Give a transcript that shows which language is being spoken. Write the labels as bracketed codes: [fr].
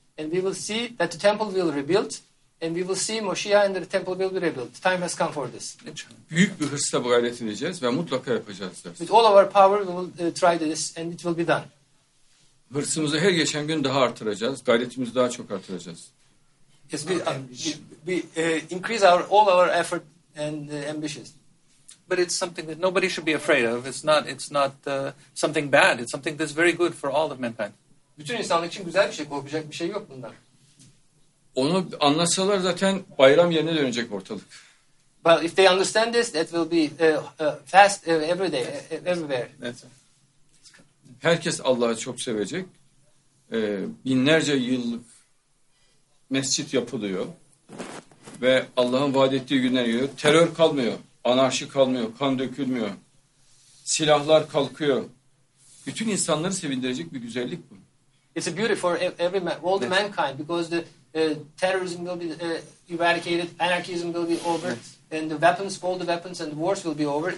[en] And we will see that the temple will rebuild. And we will see Moshiach and the temple will be rebuilt. The time has come for this. [tr] Büyük bir hırsla bu gayret edeceğiz ve mutlaka yapacağız dersin. [en] With all of our power we will try this and it will be done. [tr] Hırsımızı her geçen gün daha artıracağız. Gayretimizi daha çok artıracağız. [en] Yes, we increase all our effort and ambitions. But it's something that nobody should be afraid of. It's not something bad. It's something that's very good for all of mankind. [tr] Bütün insanlık için güzel bir şey, korkacak bir şey yok bundan. Onu anlasalar zaten bayram yerine dönecek ortalık. [en] Well, if they understand this, that will be fast every day, everywhere. [tr] Evet. Herkes Allah'ı çok sevecek. Binlerce yıllık mescit yapılıyor ve Allah'ın vaat ettiği günler geliyor. Terör kalmıyor, anarşi kalmıyor, kan dökülmüyor, silahlar kalkıyor. Bütün insanları sevindirecek bir güzellik bu. [en] It's a beauty for every all the mankind because the terrorism will be eradicated, anarchism will be over, yes. And the weapons, all the weapons and the wars will be over.